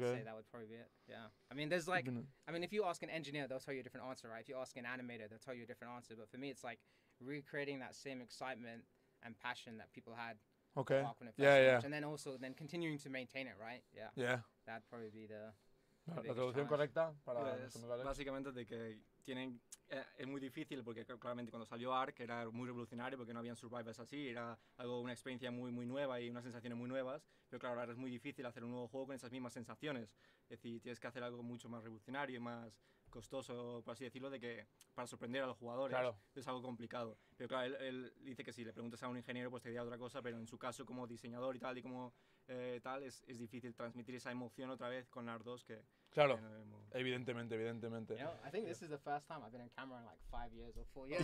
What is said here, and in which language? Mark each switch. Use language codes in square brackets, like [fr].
[en] I'd say that would probably be it, yeah. I mean, there's like, I mean, if you ask an engineer, they'll tell you a different answer, right? If you ask an animator, they'll tell you a different answer. But for me, it's like recreating that same excitement and passion that people had. Okay. When it first. And then also, then continuing to maintain it, right? Yeah. Yeah. That'd probably be the [es] La traducción correcta para pues, básicamente de que tienen es muy difícil porque claramente cuando salió ARC era muy revolucionario porque no habían survivors así, era algo, una experiencia muy muy nueva y unas sensaciones muy nuevas, pero claro, ahora es muy difícil hacer un nuevo juego con esas mismas sensaciones, es decir, tienes que hacer algo mucho más revolucionario y más costoso, por así decirlo, de que para sorprender a los jugadores, claro. Es algo complicado, pero claro, él dice que si le preguntas a un ingeniero pues te diría otra cosa, pero en su caso como diseñador y tal y como tal, es difícil transmitir esa emoción otra vez con ARC 2, que claro, evidentemente. [en] You know, I think this is the first time I've been in camera in like 5 years or 4 years.